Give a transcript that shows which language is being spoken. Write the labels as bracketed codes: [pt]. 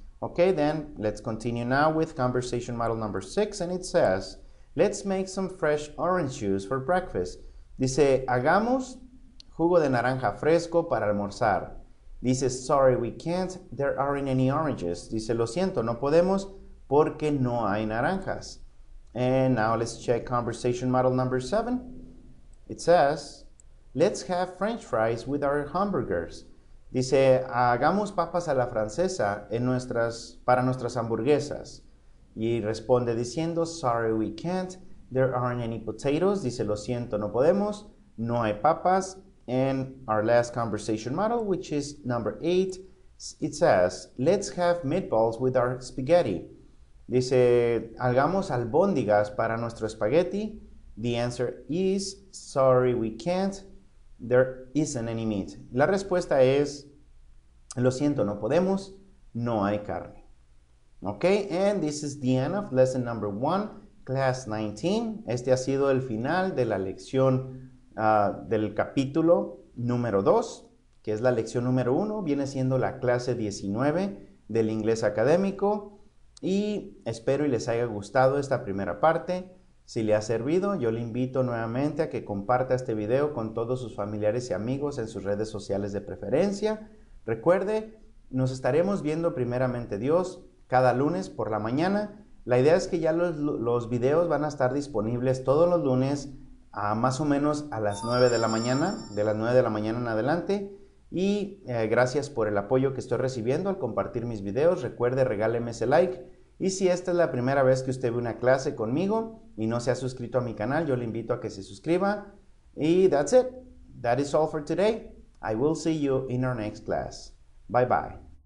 [en] Okay, then let's continue now with conversation model number six, and it says, let's make some fresh orange juice for breakfast. [es] Dice, hagamos jugo de naranja fresco para almorzar. [en] Dice, sorry, we can't, there aren't any oranges. [es] Dice, lo siento, no podemos porque no hay naranjas. [en] And now let's check conversation model number seven. It says, let's have french fries with our hamburgers. [es] Dice, hagamos papas a la francesa para nuestras hamburguesas. Y responde diciendo, [en] sorry, we can't, there aren't any potatoes. [es] Dice, lo siento, no podemos, no hay papas. [en] And our last conversation model, which is number eight, it says, let's have meatballs with our spaghetti. [es] Dice, hagamos albóndigas para nuestro espagueti. [en] The answer is, sorry, we can't. There isn't any meat. [es] La respuesta es, lo siento, no podemos, no hay carne. [en] Okay, and this is the end of lesson number one, class 19. [es] Este ha sido el final de la lección del capítulo número 2, que es la lección número 1, viene siendo la clase 19 del inglés académico. Y espero y les haya gustado esta primera parte. Si le ha servido, yo le invito nuevamente a que comparta este video con todos sus familiares y amigos en sus redes sociales de preferencia. Recuerde, nos estaremos viendo primeramente Dios cada lunes por la mañana. La idea es que ya los videos van a estar disponibles todos los lunes a más o menos a las 9 de la mañana, de las 9 de la mañana en adelante. Y gracias por el apoyo que estoy recibiendo al compartir mis videos. Recuerde, regáleme ese like. Y si esta es la primera vez que usted ve una clase conmigo y no se ha suscrito a mi canal, yo le invito a que se suscriba. [en] Y that's it. That is all for today. I will see you in our next class. Bye bye.